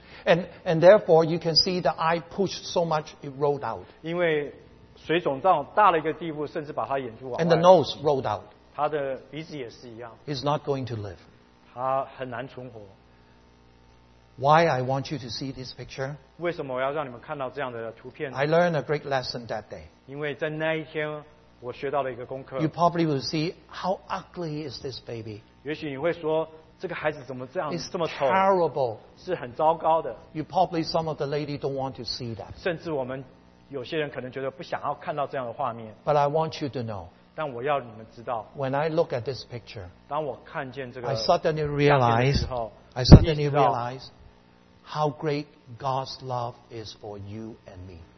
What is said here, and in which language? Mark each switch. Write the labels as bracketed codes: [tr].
[en] And therefore, you can see the eye pushed so much it rolled out. [zh] 因为水肿胀大了一个地步，甚至把他眼珠往外。 [en] And the nose rolled out. [zh] 他的鼻子也是一样。 [en] He's not going to live. [zh] 他很难存活。 [en] Why I want you to see this picture? [zh] 为什么我要让你们看到这样的图片 [en] ？I learned a great lesson that day. [zh] 因为在那一天，我学到了一个功课。 [en] You probably will see how ugly is this baby. [zh] 也许你会说。这个孩子怎么这样这么丑 [en] terrible. [zh] 是很糟糕的 [en] You probably some of the ladies don't want to see that. [zh] 甚至我们有些人可能觉得不想要看到这样的画面 [en] But I want you to know [zh] 但我要你们知道 [en] ，When I look at this picture， [zh] 当我看见这个 [en] ，I suddenly realize， I suddenly realize how great God's love is for you and me。